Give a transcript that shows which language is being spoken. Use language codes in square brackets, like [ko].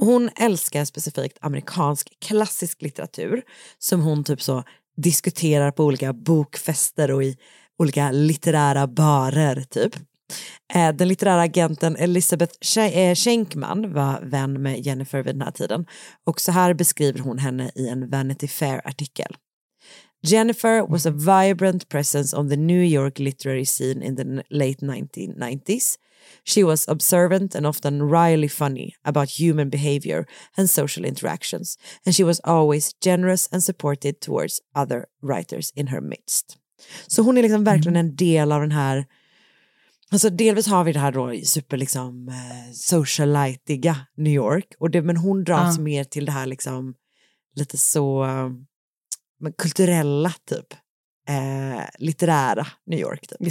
[sv] Hon älskar specifikt amerikansk klassisk litteratur som hon typ så diskuterar på olika bokfester och i olika litterära barer typ. Den litterära agenten Elizabeth Schenkman var vän med Jennifer vid den här tiden och så här beskriver hon henne i en Vanity Fair-artikel. [en] Jennifer was a vibrant presence on the New York literary scene in the late 1990s. She was observant and often wryly funny about human behavior and social interactions, and she was always generous and supportive towards other writers in her midst. [sv] Så hon är liksom verkligen en del av den här, alltså delvis har vi det här då super liksom socialite-iga New York, och det, men hon dras mer till det här liksom lite så men kulturella typ, litterära New York typ.